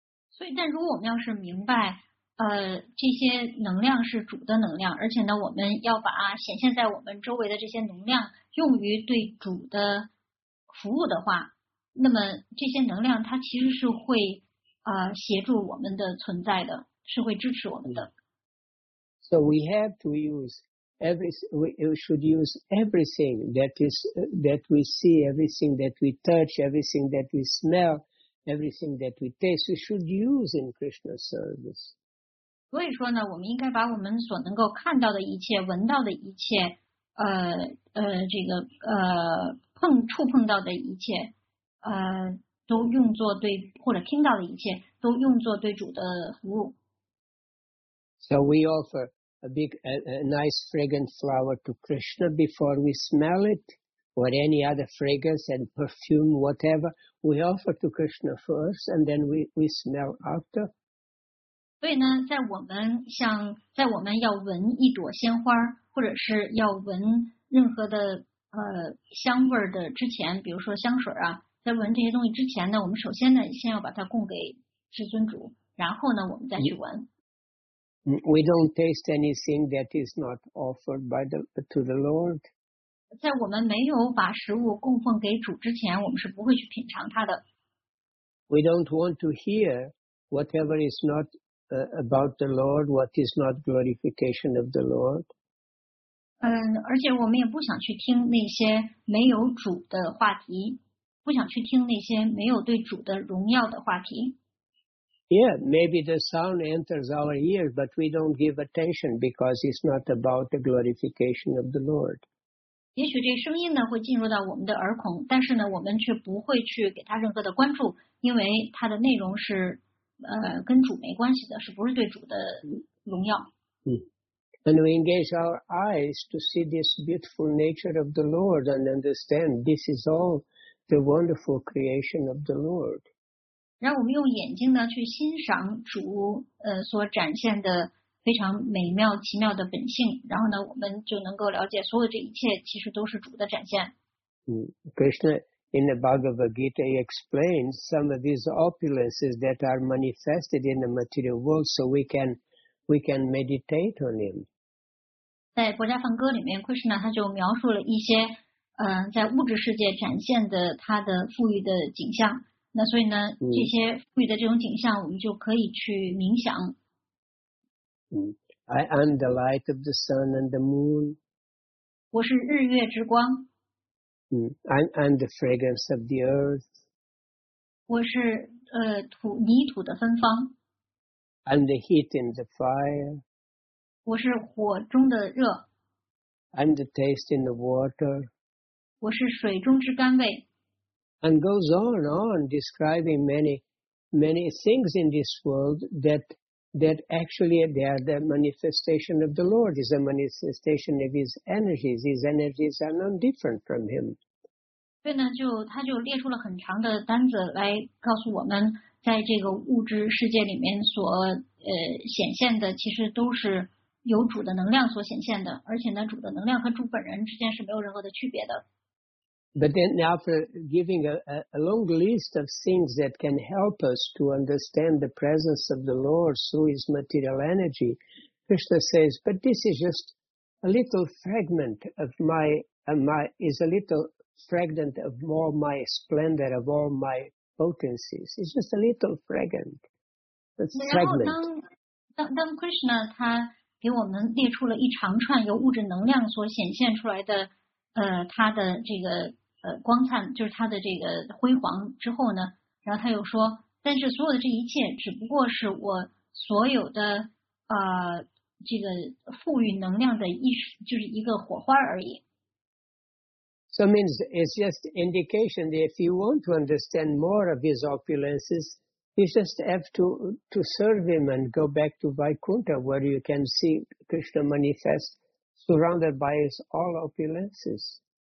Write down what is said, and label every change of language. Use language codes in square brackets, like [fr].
[zh] 所以，但如果我们要是明白，这些能量是主的能量，而且呢，我们要把显现在我们周围的这些能量用于对主的服务的话，那么这些能量它其实是会协助我们的存在的，是会支持我们的。 [en] So we have to use we should use everything that we see, everything that we touch, everything that we smell, everything that we taste, we should use in Krishna's service. [zh] 所以说呢，我们应该把我们所能够看到的一切、闻到的一切、这个触碰到的一切，都用作对或者听到的一切，都用作对主的服务。 [en] So we offer. A nice fragrant flower to Krishna before we smell it, or any other fragrance and perfume, whatever we offer to Krishna first, and then we smell after. [zh] 所以呢，在我们像在我们要闻一朵鲜花，或者是要闻任何的香味的之前，比如说香水啊，在闻这些东西之前呢，我们首先呢先要把它供给至尊主，然后呢我们再去闻。 [en] Yeah. We don't taste anything that is not offered to the Lord. [zh] 在我们没有把食物供奉给主之前，我们是不会去品尝它的。 [en] We don't want to hear whatever is not about the Lord, what is not glorification of the Lord. [zh] 而且我们也不想去听那些没有主的话题，不想去听那些没有对主的荣耀的话题。 [en] Yeah, maybe the sound enters our ears, but we don't give attention because it's not about the glorification of the Lord. [zh] 也许这声音呢会进入到我们的耳孔，但是呢我们却不会去给它任何的关注，因为它的内容是跟主没关系的，是不是对主的荣耀。 [en] And we engage our eyes to see this beautiful nature of the Lord and understand this is all the wonderful creation of the Lord. [zh] 让我们用眼睛呢去欣赏主所展现的非常美妙奇妙的本性，然后呢我们就能够了解所有这一切其实都是主的展现。 [en] Krishna in the Bhagavad Gita explains some of these opulences that are manifested in the material world so we can meditate on him. [zh] 在《薄伽梵歌》里面 Krishna 他就描述了一些在物质世界展现的他的富裕的景象。那所以呢，这些富裕的这种景象，我们就可以去冥想。 [en] I am the light of the sun and the moon. [zh] 我是日月之光。 [en] I'm the fragrance of the earth. [zh] 我是土泥土的芬芳。 [en] I'm the heat in the fire. [zh] 我是火中的热。 [en] I'm the taste in the water. [zh] 我是水中之甘味。 [en] And goes on describing many, many things in this world that actually they are the manifestation of the Lord, is a manifestation of His energies. His energies are none different from Him. [zh] 所以呢，他就列出了很长的单子来告诉我们，在这个物质世界里面所显现的，其实都是由主的能量所显现的，而且呢，主的能量和主本人之间是没有任何的区别的。 [en] But then after giving a long list of things that can help us to understand the presence of the Lord through His material energy, Krishna says, but this is just a little fragment of all my splendor, of all my potencies. It's just a little fragment. It's a fragment. [zh] 当 Krishna 他给我们列出了一长串由物质能量所显现出来的他的这个光灿就是他的这个辉煌之后呢，然后他又说，但是所有的这一切只不过是我所有的这个富裕能量的一就是一个火花而已。 [en] So it means it's just indication that if you want to understand more of his opulences, you just have to serve him and go back to Vaikuntha, where you can see Krishna manifest surrounded by his all opulences.